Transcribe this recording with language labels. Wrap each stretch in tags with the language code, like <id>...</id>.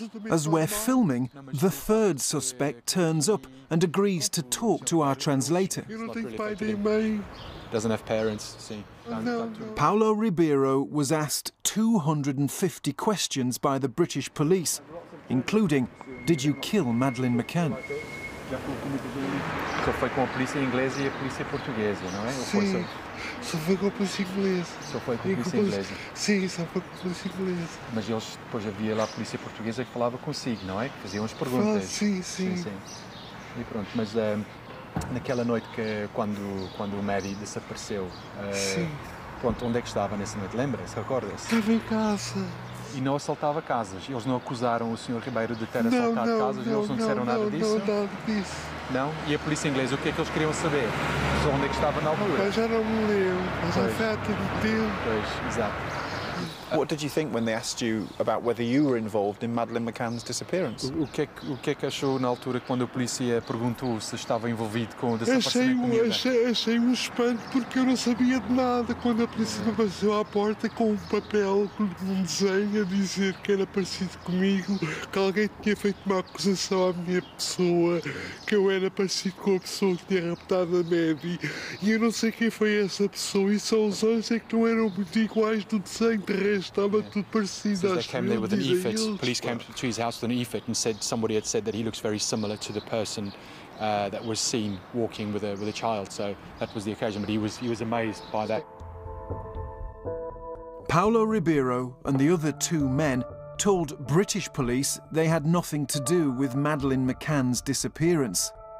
<en>As we're filming, the third suspect turns up and agrees to talk to our translator. Doesn't have parents,</en> <pt>sim.</pt> <en>Paulo Ribeiro was asked 250 questions by the British police, including, did you kill Madeleine Mccann?</en> <pt>Só foi com a polícia inglesa e a polícia portuguesa, não é? Sim. Só foi com a polícia inglesa. Só foi com a polícia inglesa? Sim, só foi com a polícia inglesa. Mas eles, depois havia lá a polícia portuguesa que falava consigo, não é? Faziam as perguntas. Sim, sim. Sim, sim. E pronto, mas naquela noite que quando o Mary desapareceu, sim. Pronto, onde é que estava nessa noite? Lembra-se? Recorda-se? Estava em casa. E não assaltava casas? Eles não acusaram o Sr. Ribeiro de ter assaltado casas? Não, eles não disseram nada disso? Não, nada disso. Não? E a polícia inglesa, o que é que eles queriam saber? Só onde é que estava na altura? Eu já não me lembro, mas pois. Já foi há tempo. Pois, exato.</pt> <en>What did you think when they asked you about whether you were involved in Madeleine McCann's disappearance?</en> <pt>O que é que achou na altura quando a polícia perguntou se estava envolvido com o desaparecimento da minha vida? Achei um espanto porque eu não sabia de nada quando a polícia me passou à porta com um papel, com um desenho a dizer que era parecido comigo, que alguém tinha feito uma acusação à minha pessoa, que eu era parecido com a pessoa que tinha raptado a Mary. E eu não sei quem foi essa pessoa e só os olhos é que não eram muito iguais do desenho de estava tudo parecido.</pt> <en>They came there with an effect. Police came to his house with an effect and said somebody had said that he looks very similar to the person that was seen walking with a child. So that was the occasion, but he was amazed by that. Paulo Ribeiro and the other two men told British police they had nothing to do with Madeleine McCann's disappearance.</en>